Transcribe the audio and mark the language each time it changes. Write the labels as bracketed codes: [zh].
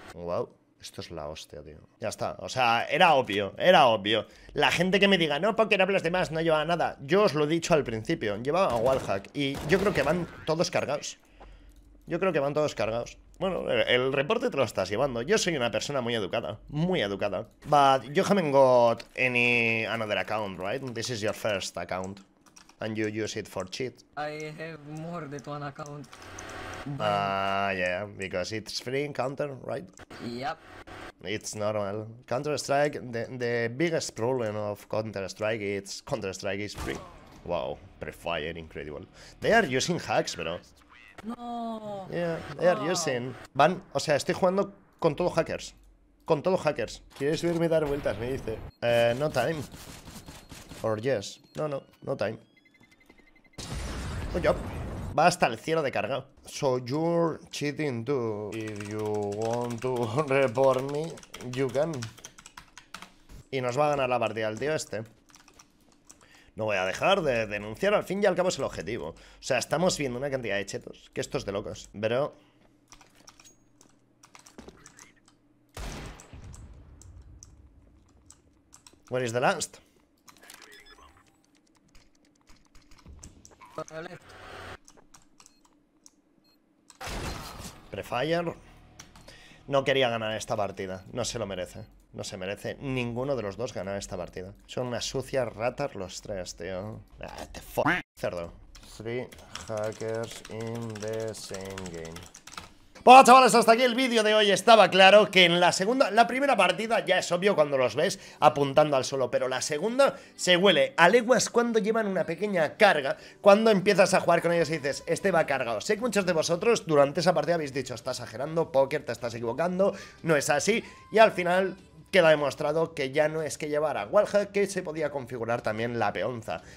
[es] Wow. Esto es la hostia, tío. Ya está. O sea, era obvio. Era obvio. La gente que me diga, no, porque hablas de más, no llevaba nada. Yo os lo he dicho al principio. Llevaba wallhack. Y yo creo que van todos cargados. Yo creo que van todos cargados. Bueno, el reporte te lo estás llevando. Yo soy una persona muy educada. Muy educada. [en] But you haven't got any another account, right? This is your first account. And you use it for cheat. I have more than one account. Yeah, because it's free counter, right? Yep. It's normal. Counter-Strike, the biggest problem of Counter-Strike is Counter-Strike is free. Wow, prefire, incredible. They are using hacks, bro. No. Yeah, they are using... [es] Van, o sea, estoy jugando con todo hackers. Con todo hackers. ¿Quieres irme a dar vueltas? Me dice. [en] No time. Or yes. No, no, no time. Good job. [es] Va hasta el cielo de carga. [en] So you're cheating too. If you want to report me, you can. [es] Y nos va a ganar la partida el tío este. No voy a dejar de denunciar. Al fin y al cabo es el objetivo. O sea, estamos viendo una cantidad de chetos. Que esto es de locos. Pero... [en] Where is the last? Prefire. [es] No quería ganar esta partida. No se lo merece. No se merece ninguno de los dos ganar esta partida. Son unas sucias ratas los tres, tío. Te f***, cerdo. [en] Three hackers in the same game. [es] Bueno, chavales, hasta aquí el vídeo de hoy. Estaba claro que en la segunda, la primera partida ya es obvio cuando los ves apuntando al suelo, pero la segunda se huele a leguas cuando llevan una pequeña carga, cuando empiezas a jugar con ellos y dices, este va cargado. Sé que muchos de vosotros durante esa partida habéis dicho, estás exagerando, póker, te estás equivocando, no es así, y al final queda demostrado que ya no es que llevara Warhawk, que se podía configurar también la peonza.